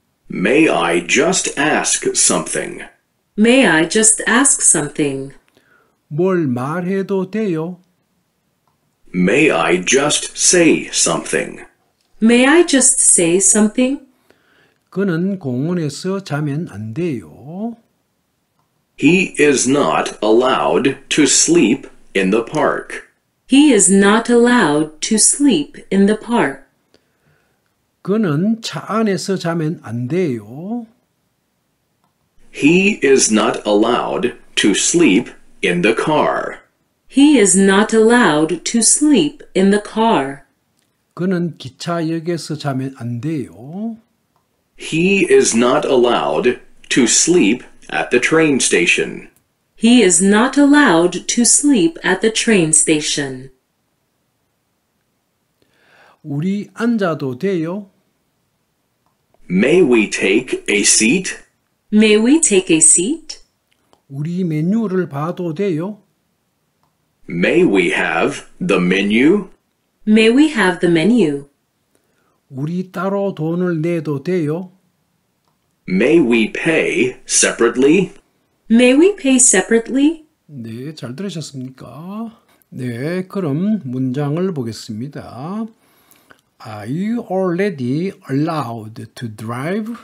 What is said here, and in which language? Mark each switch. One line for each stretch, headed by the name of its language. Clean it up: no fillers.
English: May I just ask something? May I just ask something?
Korean: 뭘 말해도 돼요?
English: May I just say something? May I just say something?
Korean: 그는 공원에서 자면 안 돼요.
English: He is not allowed to sleep in the park. He is not allowed to sleep in the park.
Korean: 그는 차 안에서 자면 안 돼요.
English: He is not allowed to sleep in the car. He is not allowed to sleep in the car.
Korean: 그는 기차역에서 자면 안 돼요.
English: He is not allowed to sleep at the train station. He is not allowed to sleep at the train station.
Korean: 우리 앉아도 돼요?
English: May we take a seat? May we take a seat?
Korean: 우리 메뉴를 봐도 돼요?
English: May we have the menu? May we have the menu?
Korean: 우리 따로 돈을 내도 돼요?
English: May we pay separately? May we pay separately?
Korean: 네, 잘 들으셨습니까? 네, 그럼 문장을 보겠습니다.
English: Are you already allowed to drive?